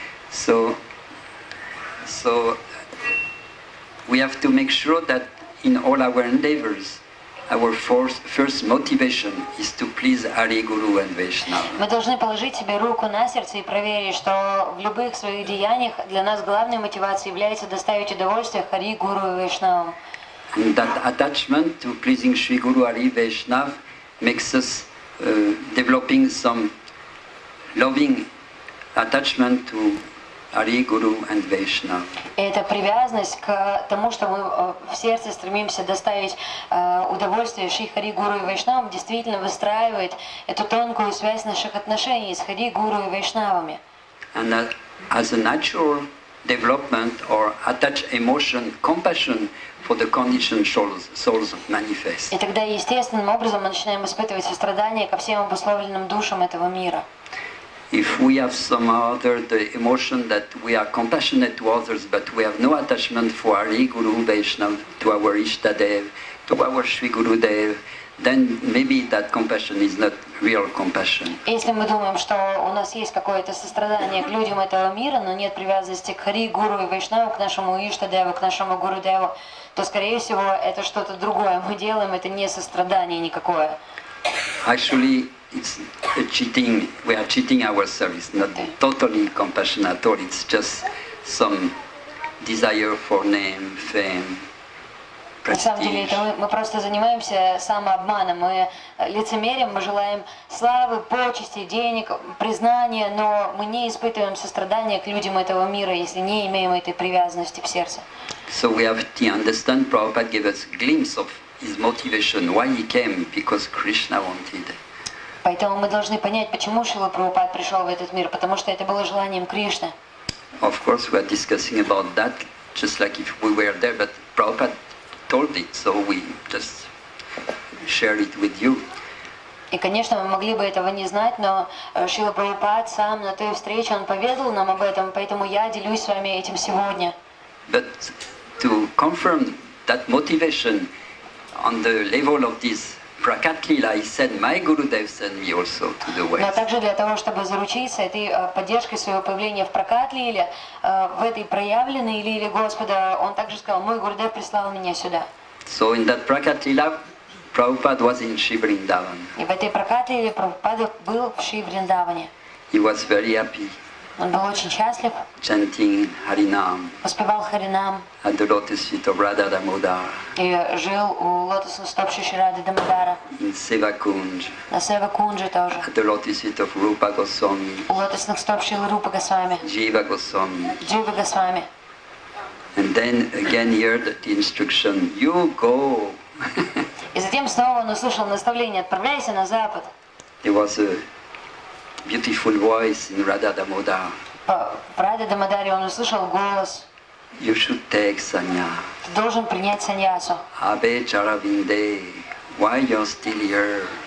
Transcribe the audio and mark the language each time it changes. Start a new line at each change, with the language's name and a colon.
English: So we have to make sure that in all our endeavors, our first motivation is to please Hari Guru and Vaishnava.
Russian: Мы должны положить себе руку на сердце и проверить, что в любых своих деяниях для нас главной мотивацией является доставить удовольствие Хари Гуру и Вайшнавам.
English: And that attachment to pleasing Sri Guru Hari Vaishnav makes us developing some loving attachment to Hari Guru and Vaishnav.
Russian: Это привязанность к тому, что мы в сердце стремимся доставить удовольствие Шри Хари Гуру и Вайшнавам, действительно выстраивает эту тонкую связь наших отношений с Хари Гуру и Вайшнавами.
English: And as a natural development or attached emotion, compassion for the conditioned souls manifest.
Russian: И тогда естественным образом мы начинаем испытывать сострадание ко всем обусловленным душам этого мира.
English: If we have some other the emotion that we are compassionate to others, but we have no attachment for Hari Guru Vaishnav, to our Ishta Dev, to our Shri Guru Dev, then maybe that compassion is not real compassion.
Russian: Если мы думаем, что у нас есть какое-то сострадание к людям этого мира, но нет привязанности к Хари Гуру и Вайшнаву, к нашему Ишта Деву, к нашему Гуру Деву, то, скорее всего, это что-то другое. Мы делаем это не сострадание никакое.
English: Actually, it's a cheating. We are cheating ourselves. Not totally compassion at all. It's just some desire for name, fame.
Russian: На самом деле, это мы просто занимаемся самообманом. Мы лицемерим, мы желаем славы, почести, денег, признания, но мы не испытываем сострадания к людям этого мира, если не имеем этой привязанности в сердце.
English: So we have to understand Prabhupada gave us a glimpse of his motivation, why he came, because Krishna wanted.
Russian: Поэтому мы должны понять, почему Шрила Прабхупада пришел в этот мир, потому что это было желанием Кришны.
English: Of course, we are discussing about that, just like if we were there, but Prabhupada told it, so we just share it with you.
Russian: И, конечно, мы могли бы этого не знать, но Шрила Прабхупада сам на той встрече он поведал нам об этом, поэтому я делюсь с вами этим сегодня.
English: But to confirm that motivation on the level of this Prakatlila, he said, "My Guru Dev sent me also to the West."
Russian: Но также для того, чтобы заручиться этой поддержкой своего появления в Прокатлиле, в этой проявленной лиле Господа, он также сказал, "Мой Гуру Дев прислал меня сюда."
English: So in that Prakatlila, Prabhupada was in Shri Vrindavan.
Russian: И в этой Прокатлиле Прабхупада был в Шри Вриндаване.
English: He was very happy.
Russian: Он был очень счастлив.
English: Chanting Harinam.
Russian: Воспевал Харинам.
English: At the lotus feet of Radha Damodara.
Russian: И жил у лотосных стоп Шри Рады Дамодара.
English: In Seva Kunj.
Russian: На Сева Кунже тоже.
English: At the lotus feet of Rupa Goswami.
Russian: У лотосных стоп Шри Рупа Госвами.
English: Jiva Goswami.
Russian: Jiva Goswami.
English: And then again heard the instruction, "You go."
Russian: И затем снова он услышал наставление: "Отправляйся на запад."
English: It was a beautiful voice in Radha Damodara.
Russian: В Раде Дамодаре он услышал голос.
English: You should take sannya.
Russian: Ты должен принять саньясу.
English: Abe Charavinde, why you're still here?